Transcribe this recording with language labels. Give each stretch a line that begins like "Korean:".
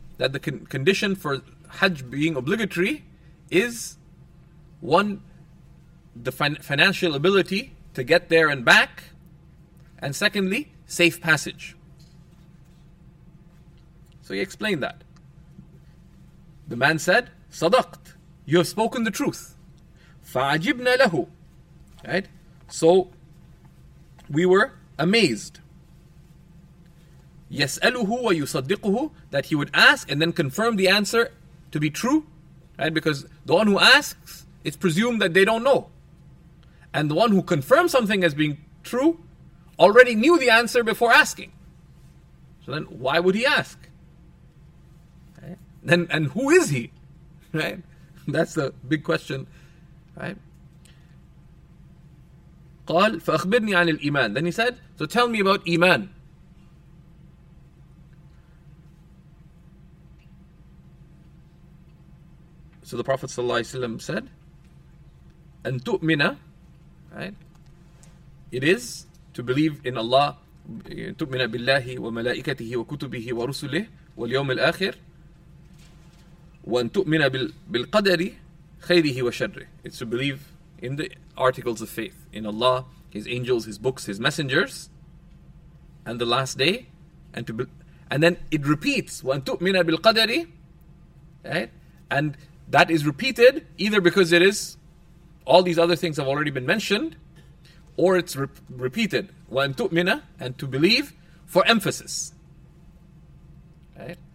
English: That the condition for Hajj being obligatory is, one, the financial ability to get there and back, and secondly, safe passage. So he explained that. The man said,
Arabic: صدقت,
English: you have spoken the truth.
Arabic: فعجبنا له,
English: right? So we were amazed.
Arabic: يسأله ويصدقه,
English: that he would ask and then confirm the answer to be true, right? Because the one who asks, it's presumed that they don't know. And the one who confirms something as being true already knew the answer before asking. So then why would he ask? Then, and who is he? Right? That's the big question, right?
Arabic: قال فأخبرني عن الإيمان.
English: Then he said, so tell me about Iman. So the Prophet ﷺ said,
Arabic: أن تؤمن,
English: right? It is to believe in Allah,
Arabic: تؤمن بالله وملائكته وكتبه ورسله واليوم الآخر, وأن تؤمن بالقدر خيره وشره.
English: It's to believe in the articles of faith, in Allah, His angels, His books, His messengers, and the last day, and then it repeats,
Arabic: وَأَن تُؤْمِنَ بِالْقَدَرِ,
English: right? And that is repeated either because it is, all these other things have already been mentioned, or it's repeated,
Arabic: وَأَن تُؤْمِنَ,
English: and to believe, for emphasis, right?